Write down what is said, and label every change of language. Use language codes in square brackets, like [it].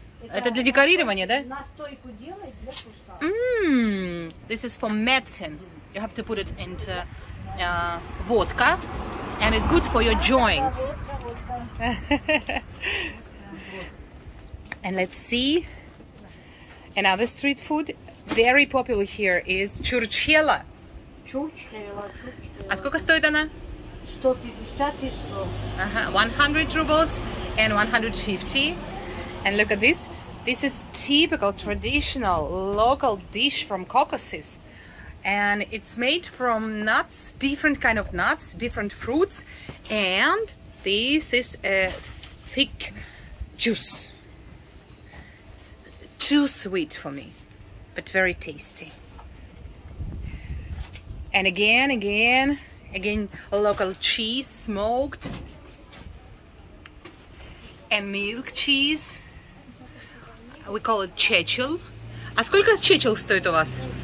[ru] Это для декорирования, да? Настойку делать для куста. [en] This is for medicine. You have to put it into vodka, and it's good for your joints. And let's see another street food. Very popular here is чурчхела. Чурчхела. [ru] А сколько стоит она? 150 и 100. [en] 100 rubles and 150. And look at this. This is typical traditional local dish from Caucasus. And it's made from nuts, different kind of nuts, different fruits. And this is a thick juice. Too sweet for me. But very tasty. And again, local cheese smoked and milk cheese. We call it чечил. [ru] А сколько чечил стоит у вас?